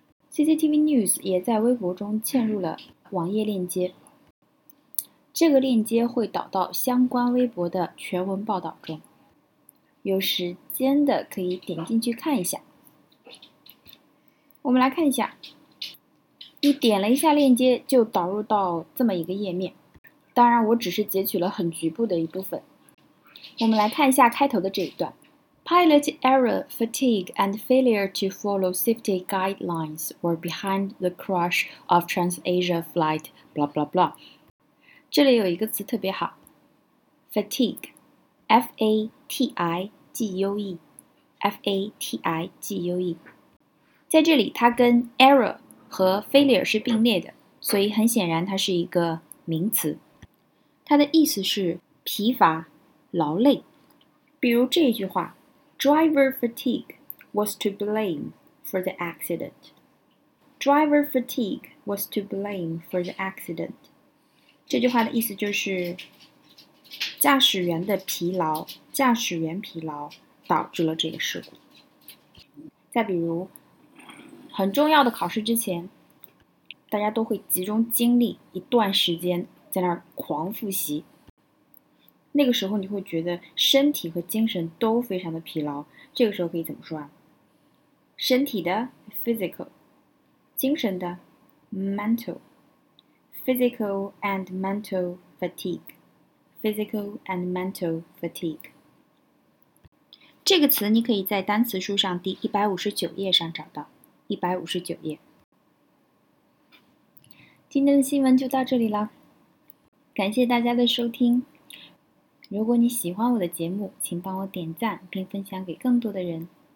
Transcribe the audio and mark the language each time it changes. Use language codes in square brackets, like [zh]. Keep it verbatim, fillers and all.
[zh] C C T V News 也在微博中嵌入了网页链接，这个链接会导到相关微博的全文报道中，有时间的可以点进去看一下。我们来看一下，你点了一下链接就导入到这么一个页面，当然我只是截取了很局部的一部分。我们来看一下开头的这一段 [en] Pilot error, fatigue and failure to follow safety guidelines were behind the crash of TransAsia flight blah blah blah。 [zh] 这里有一个词特别好， fatigue F A T I G U E F A T I G U E， 在这里它跟 error 和 failure 是并列的，所以很显然它是一个名词，它的意思是疲乏、劳累。比如这一句话 [en] Driver fatigue was to blame for the accident。 Driver fatigue was to blame for the accident。 [zh] 这句话的意思就是驾驶员的疲劳，驾驶员疲劳导致了这个事故。再比如，很重要的考试之前，大家都会集中精力一段时间在那儿狂复习，那个时候你会觉得身体和精神都非常的疲劳，这个时候可以怎么说啊？身体的 physical， 精神的 mental， [en] physical and mental fatigue。 Physical and mental fatigue。 [zh] 这个词你可以在单词书上第一百五十九页上找到，一百五十九页。今天的新闻就到这里了，感谢大家的收听。如果你喜欢我的节目，请帮我点赞并分享给更多的人。